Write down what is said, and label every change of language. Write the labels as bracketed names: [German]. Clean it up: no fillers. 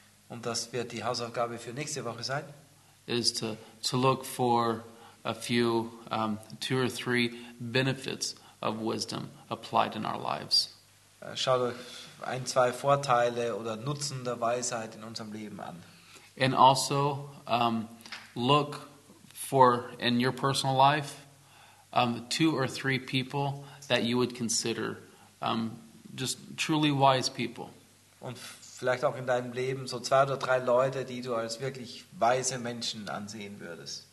[German] Und das wird die Hausaufgabe für nächste Woche sein. [English] Is to look for a few, two or three benefits of wisdom applied in our lives. [German] Schaut euch ein, zwei Vorteile oder Nutzen der Weisheit in unserem Leben an. [English] And also look for in your personal life two or three people that you would consider just truly wise people. [German] Und vielleicht auch in deinem Leben so zwei oder drei Leute, die du als wirklich weise Menschen ansehen würdest.